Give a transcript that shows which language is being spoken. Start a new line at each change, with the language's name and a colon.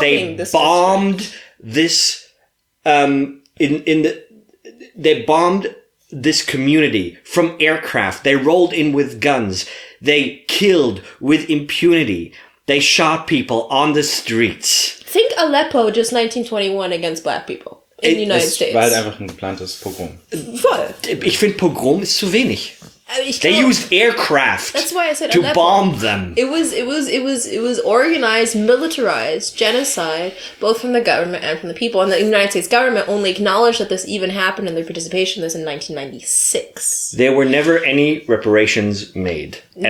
English: They bombed this they bombed this community from aircraft. They rolled in with guns. They killed with impunity. They shot people on the streets. Think Aleppo, just 1921 against black people in the United States.
German: Weil einfach ein geplantes Pogrom. Voll. Ich finde Pogrom ist zu wenig.
English: They used aircraft. That's why I said to Aleppo. Bomb them. It was organized, militarized genocide, both from the government and from the people. And the United States government only acknowledged that this even happened and their participation in this in 1996. There were never any reparations made. Ever.